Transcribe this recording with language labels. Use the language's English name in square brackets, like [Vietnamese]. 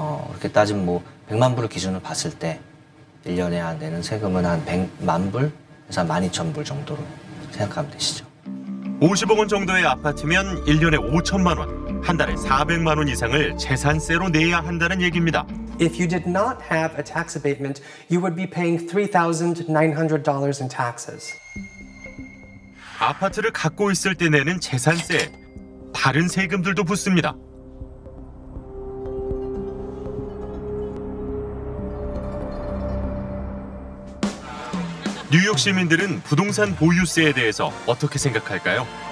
[Korean] 이렇게 따지면 뭐 100만 불을 기준으로 봤을 때 1년에 안 되는 세금은 한 100만 불에서 한 12,000 불 정도로 생각하면 되시죠. 50억 원 정도의 아파트면 1년에 5천만 원, 한 달에 400만 원 이상을 재산세로 내야 한다는 얘기입니다. [English] If you did not have a tax abatement, you would be paying $3,900 in taxes. [Korean] 아파트를 갖고 있을 때 내는 재산세, 다른 세금들도 붙습니다. 뉴욕 시민들은 부동산 보유세에 대해서 어떻게 생각할까요?